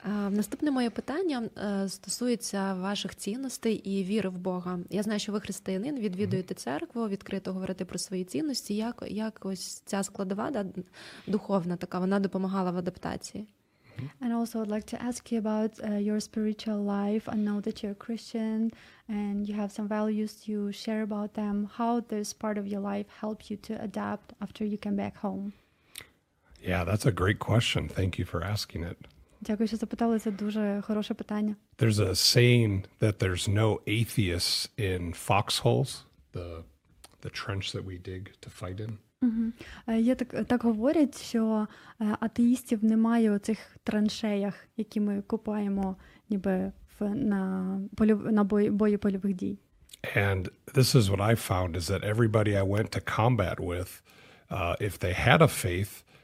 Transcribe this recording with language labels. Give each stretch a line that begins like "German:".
Ukrainian: Наступне моє питання стосується ваших цінностей і віри в Бога. Я знаю, що ви християнин, відвідуєте церкву, відкрито говорити про свої цінності. Як ось ця складова, да, духовна така, вона допомагала в адаптації?
English: And also I'd like to ask you about your spiritual life. I know that you're a Christian and you have some values. You share about them. How this part of your life helped you to adapt after you came back home? Yeah, that's a great question. Thank you for asking it.
Ukrainian: Дякую, що запитали. Це дуже хороше питання.
English: There's a saying that there's no atheists in foxholes, the trench that we dig to fight in.
Ukrainian: Є так говорять, що атеїстів немає у цих траншеях, які ми купаємо ніби на бої польових дій.
English: And this is what I found is that everybody I went to combat with, if they had a faith,